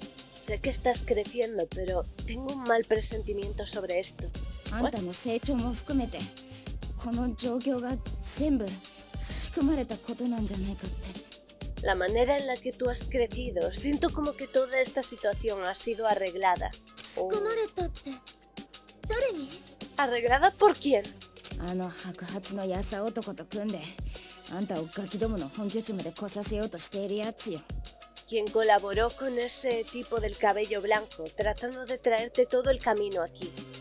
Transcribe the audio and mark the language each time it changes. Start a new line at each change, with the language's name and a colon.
Spanish: Sé que estás creciendo, pero tengo un mal presentimiento sobre esto.
Japanese: あんたの成長も含めて、この状況が全部仕組まれたことなんじゃないかって。
Spanish: La manera en la que tú has crecido, siento como que toda esta situación ha sido arreglada.
Japanese: 仕組まれたって、誰に?
Spanish: ¿Arreglada por quién?
Japanese: あの白髪のヤサ男と組んで、あんたをガキどもの本拠地まで来させようとしているやつよ。
Spanish: Quien colaboró con ese tipo del cabello blanco, tratando de traerte todo el camino aquí.